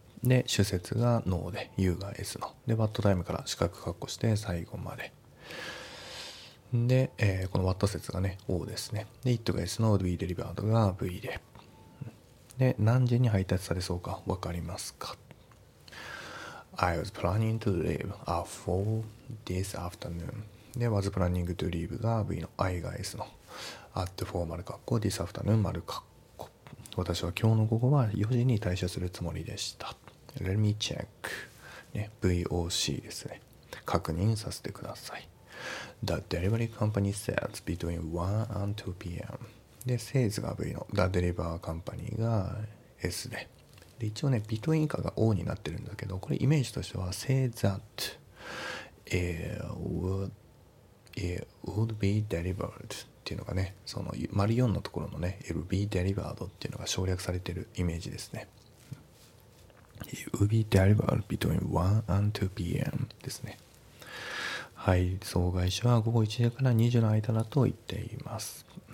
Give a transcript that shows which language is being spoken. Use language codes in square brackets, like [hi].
[ja] で、主節が No で、You が S の。で、 [en] What time [ja] から四角括弧して最後まで。で、この What 節がね、O ですね。で、It が S の [en] Will be delivered [ja] が V で。で、何時に配達されそうかわかりますか？ [en] I was planning to leave at 4 this afternoon. [ja] で、 [en] was planning to leave [ja] が V の、I が S の。at 4丸括弧、 [en] this afternoon [ja] 丸括弧。私は今日の午後は4時に退社するつもりでした。 [en] Let me check、ね、VOC ですね。 [ja] 確認させてください。 [en] The delivery company says between 1 and 2 p.m. [ja] で、sales が V の、The delivery company が S で。で、一応ね、between 以下が O になってるんだけど、これイメージとしては [en] Say that it would be delivered [ja] っていうのがね、その丸4のところのね、 [en] It will be delivered [ja] っていうのが省略されてるイメージですね。 [en] It will be delivered between 1 and 2 p.m. [ja] ですね。配送会社は午後1時から2時の間だと言っています。